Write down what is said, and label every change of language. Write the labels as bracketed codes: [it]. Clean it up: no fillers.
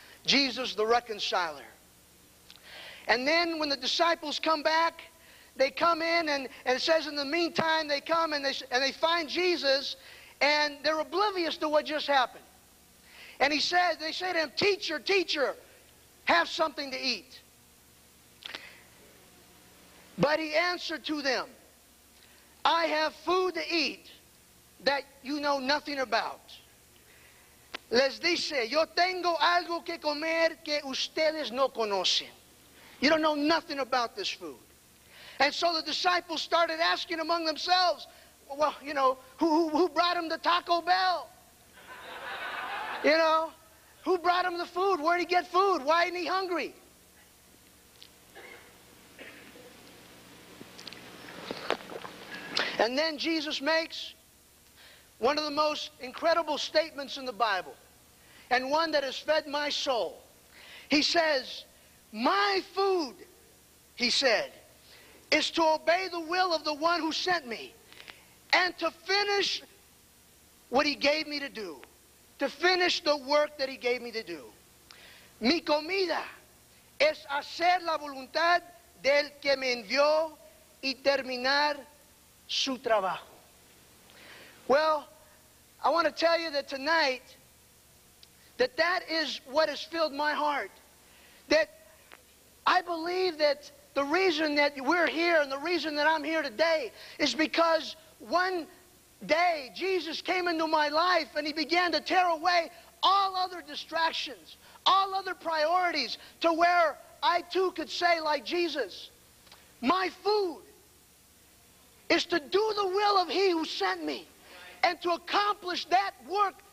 [en] Jesus the reconciler. And then when the disciples come back, they come in, and it says in the meantime, they come and they find Jesus, and they're oblivious to what just happened. And they say to him, teacher, teacher, have something to eat. But he answered to them, I have food to eat that you know nothing about. [es] Les dice, yo tengo algo que comer que ustedes no conocen. [en] You don't know nothing about this food. And so the disciples started asking among themselves, well, you know, who brought him the Taco Bell? You know, who brought him the food? Where'd he get food? Why isn't he hungry? And then Jesus makes one of the most incredible statements in the Bible, and one that has fed my soul. He says, my food, he said, is to obey the will of the one who sent me and to finish what he gave me to do, to finish the work that he gave me to do. [es] Mi comida es hacer la voluntad del que me envió y terminar su trabajo. [en] Well, I want to tell you that tonight, that is what has filled my heart, that I believe that the reason that we're here and the reason that I'm here today is because one day Jesus came into my life and he began to tear away all other distractions, all other priorities, to where I too could say like Jesus, my food is to do the will of he who sent me and to accomplish that work